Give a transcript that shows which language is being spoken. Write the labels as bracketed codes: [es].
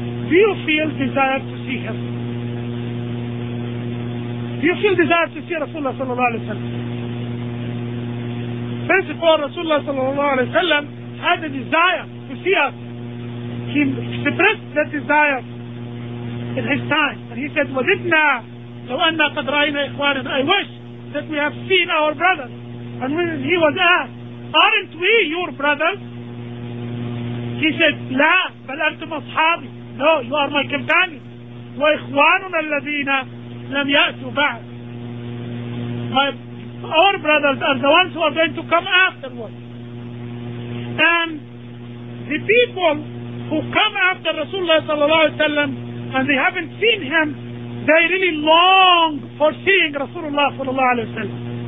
[en] Do you feel desire to see him? Do you feel desire to see Rasulullah sallallahu alayhi wa sallam? First of all, Rasulullah sallallahu alayhi wa sallam had a desire to see us. He expressed that desire in his time. And he said, [ar] وَلِدْنَا لَوْ أَنَّا قَدْ رَأَيْنَا إِخْوَانَنَا. [en] I wish that we have seen our brothers. And when he was asked, aren't we your brothers? He said, [ar] لَا بَلْ أَنْتُمْ أَصْحَابِي. [en] No, you are my companions. [ar] وَإِخْوَانُنَا الَّذِينَ لَمْ يَأْتُوا بَعْدُ. [en] Our brothers are the ones who are going to come afterwards. And the people who come after Rasulullah sallallahu alayhi wa sallam and they haven't seen him, they really long for seeing Rasulullah sallallahu alayhi wa sallam.